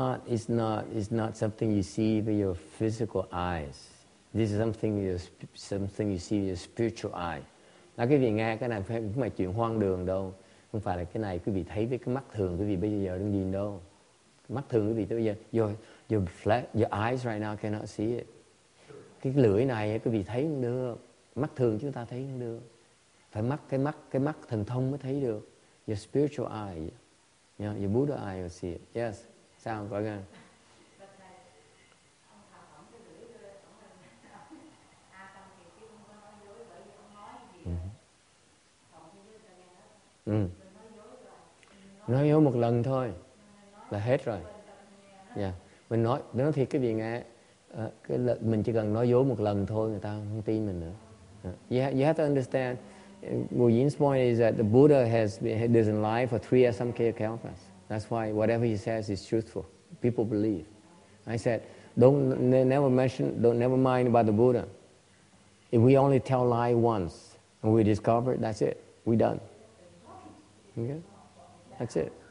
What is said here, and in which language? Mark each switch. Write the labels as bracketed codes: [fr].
[en] It's not something you see with your physical eyes. This is something you see with your spiritual eye. [vi] Nói quý vị nghe, cái này không phải chuyện hoang đường đâu. Không phải là cái này quý vị thấy với cái mắt thường quý vị bây giờ đang nhìn đâu. Mắt thường quý vị bây giờ, [en] your eyes right now cannot see it. [vi] Cái lưỡi này quý vị thấy không được. Mắt thường chúng ta thấy không được. Phải mắt thần thông mới thấy được. [en] Your spiritual eye. Yeah, your Buddha eye will see it. Yes. Sound go again. [vi] Nói dối một lần thôi là hết rồi. Yeah. Mình nói thiệt cái gì nghe, mình chỉ cần nói dối một lần thôi người ta không tin mình nữa. [en] Yeah. You have to understand. Guyin's point is that the Buddha doesn't lie for 3 Asamkhya Kalpas. That's why whatever he says is truthful. People believe. I said, never mind about the Buddha. If we only tell lie once and we discover it, that's it. We done. Okay? That's it.